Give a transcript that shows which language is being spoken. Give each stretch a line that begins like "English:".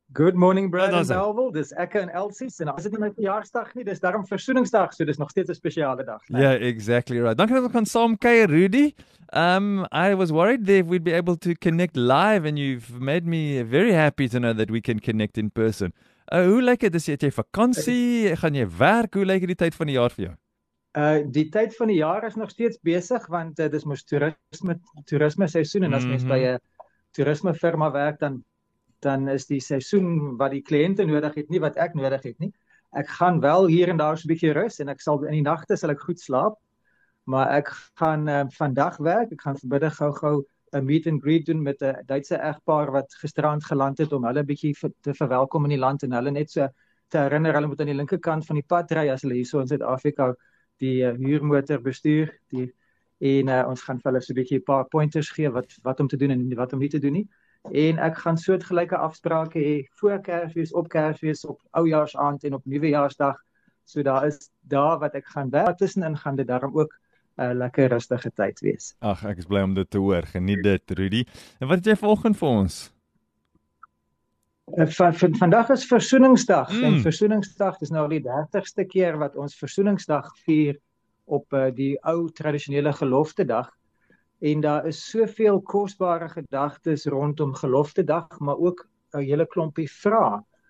English: Good morning,
Afrikaans: Brad and Melville. Dis Ekke en Elsie. En as dit nie my verjaarsdag nie, dis daarom versoeningsdag, so dis nog steeds 'n spesiale dag. Nee?
English: Yeah, exactly right.
Afrikaans: Dankie dat ons kan saam kuier, Rudy.
English: I was worried that if we'd be able to connect live and you've made me very happy to know that we can connect in person.
Afrikaans: Hoe lyk dit? Is jy vakansie? Gaan jy werk? Hoe lyk die tyd van die jaar vir jou? Die tyd van die jaar is nog steeds besig, want dit is mos toerisme seisoen, en as mens by 'n toerisme firma werk, dan is die seisoen wat die kliënte nodig het, nie wat ek nodig het nie. Ek gaan wel hier en daar so 'n bietjie rus, en ek sal in die nagte sal ek goed slaap, maar ek gaan vandag werk. Ek gaan vanmiddag gou-gou 'n meet and greet doen met 'n Duitse egpaar wat gisterand geland het, om hulle 'n bietjie te verwelkom in die land, en hulle net so te herinner, hulle moet aan die linkerkant van die pad ry as hulle hier so in Suid-Afrika die huurmotor bestuur, ons gaan vir hulle so 'n bietjie 'n paar pointers gee wat om te doen en wat om nie te doen nie. En ek gaan soortgelyke afsprake hê voor Kersfees, op Kersfees, op Oujaarsaand en op Nuwejaarsdag. So daar is daar wat ek gaan werk. Tussenin gaan dit daarom ook 'n lekker rustige tyd wees. Ag, ek is bly om dit te hoor. Geniet dit, Rudy. En wat het jy vanoggend vir ons? Vandag is Versoeningsdag, en Versoeningsdag is nou al die 30ste keer wat ons Versoeningsdag vier op die ou tradisionele Geloftedag, en daar is soveel kosbare gedagtes rondom Geloftedag, maar ook 'n hele klompie vrae,